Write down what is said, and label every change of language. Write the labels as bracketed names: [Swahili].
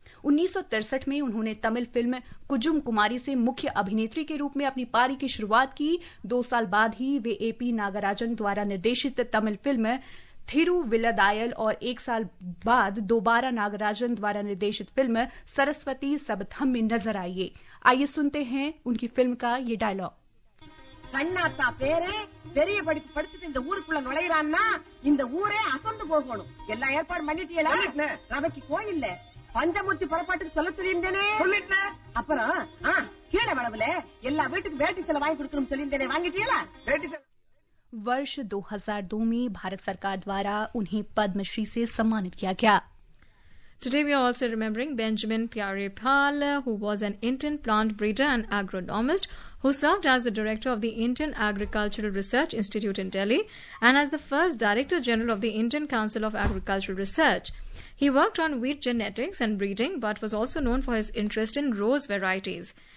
[Hindi] 1963 में उन्होंने तमिल फिल्म कुजुम कुमारी से मुख्य अभिनेत्री के रूप में अपनी पारी की शुरुआत की। 2 साल बाद ही वे एपी नागराजन द्वारा निर्देशित तमिल फिल्म थिरुविलदायल और 1 साल बाद दोबारा नागराजन द्वारा निर्देशित फिल्म सरस्वती सबथम में नजर आई। आइए सुनते हैं उनकी फिल्म का ये डायलॉग। [Tamil] கண்ணாத்தா பேரு பெரிய படிப்பு படிச்சுட்டு இந்த ஊருக்குள்ள நுழையறான்னா இந்த ஊரே அசந்து போகணும். எல்லாம் ஏற்பாடு பண்ணிட்டீங்களா? ரவைக்கு கோயில்ல பஞ்சமூர்த்தி புறப்பாட்டுக்கு சொல்ல சொல்லியிருந்தேனே சொல்லிட்டேன். அப்புறம் கீழே வளவுல எல்லா வீட்டுக்கு வேட்டி செலவு வாங்கி கொடுக்கணும் சொல்லியிருந்தேனே வாங்கிட்டீங்களா? வேட்டி செலவு [Hindi] वर्ष 2002 में भारत सरकार द्वारा उन्हें पद्मश्री से सम्मानित किया गया। [English] Today we are also remembering Benjamin Pyare Pal, who was an Indian plant breeder and agronomist who served as the director of the Indian Agricultural Research Institute in Delhi and as the first director general of the Indian Council of Agricultural Research. He worked on wheat genetics and breeding but was also known for his interest in rose varieties.